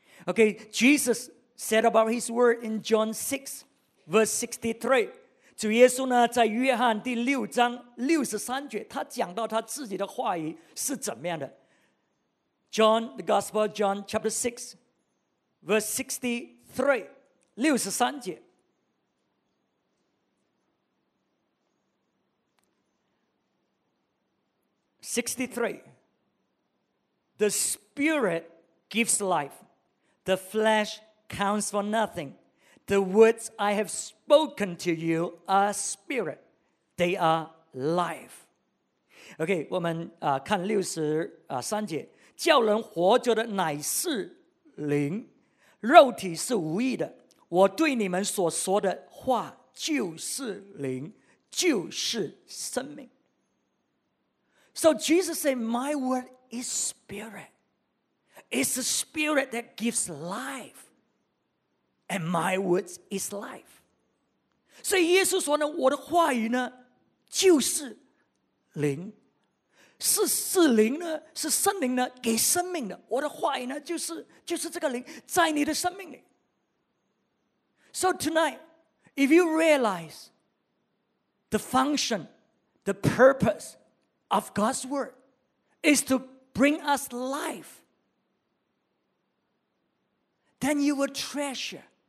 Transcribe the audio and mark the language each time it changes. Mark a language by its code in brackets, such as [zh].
[en] Okay, Jesus said about his word in John 6, verse 63. [zh] 主耶稣呢，在约翰第六章六十三节，他讲到他自己的话语是怎么样的。 [en] John, the Gospel of John, chapter 6, verse 63, [zh] 六十三节。 [en] 63. The Spirit gives life. The flesh counts for nothing. The words I have spoken to you are spirit. They are life. [zh] OK, 我们看六十三节，叫人活着的乃是灵，肉体是无益的。我对你们所说的话就是灵，就是生命。 [en] So Jesus said, my word is spirit. It's the spirit that gives life. And my words is life. [zh] 所以耶稣说呢，我的话语呢，就是灵，是灵呢，是圣灵呢，给生命的。我的话语呢，就是这个灵，在你的生命里。 [en] So tonight, if you realize the function, the purpose of God's word is to bring us life, then you will treasure.